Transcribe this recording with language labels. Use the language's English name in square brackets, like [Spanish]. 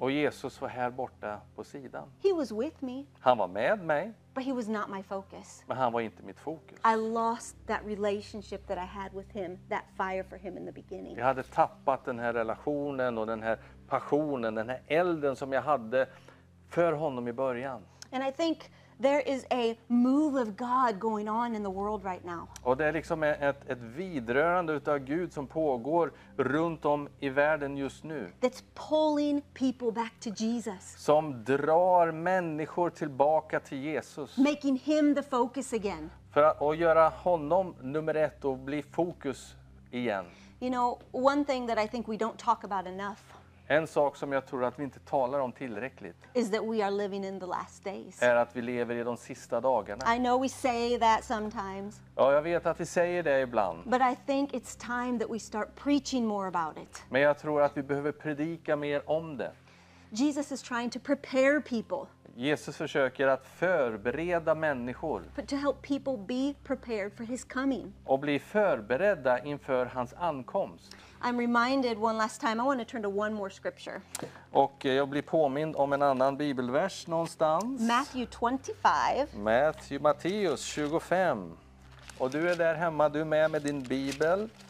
[Swedish] Och Jesus var här borta på sidan. [English] He was with me. [Swedish] Han var med mig. [English] But he was not my focus. [Swedish] Men han var inte mitt fokus. [English] I lost that relationship that I had with him, that fire for him in the beginning. [Swedish] Jag hade tappat den här relationen och den här passionen, den här elden som jag hade för honom I början. [English] And I think there is a move of God going on in the world right now. [Swedish] Och det är liksom ett vidrörande utav Gud som pågår runt om I världen just nu. [English] That's pulling people back to Jesus. [Swedish] Som drar människor tillbaka till Jesus. [English] Making him the focus again. [Swedish] För att och göra honom nummer ett och bli fokus igen. [English] You know, one thing that I think we don't talk about enough. [Swedish] En sak som jag tror att vi inte talar om tillräckligt [English] is that we are living in the last days. [Swedish] Är att vi lever I de sista dagarna. [English] I know we say that sometimes. [Swedish] Ja, jag vet att vi säger det ibland. [English] But I think it's time that we start preaching more about it. [Swedish] Men jag tror att vi behöver predika mer om det. [English] Jesus is trying to prepare people. [Swedish] Jesus försöker att förbereda människor. [English] But to help people be prepared for his coming. [Swedish] Och bli förberedda inför hans ankomst. [English] I'm reminded one last time. I want to turn to one more scripture. [Swedish] Och jag blir påmind om en annan bibelvers någonstans. [English] Matthew 25. [Swedish] Matteus 25. Och du är där hemma, du är med din bibel.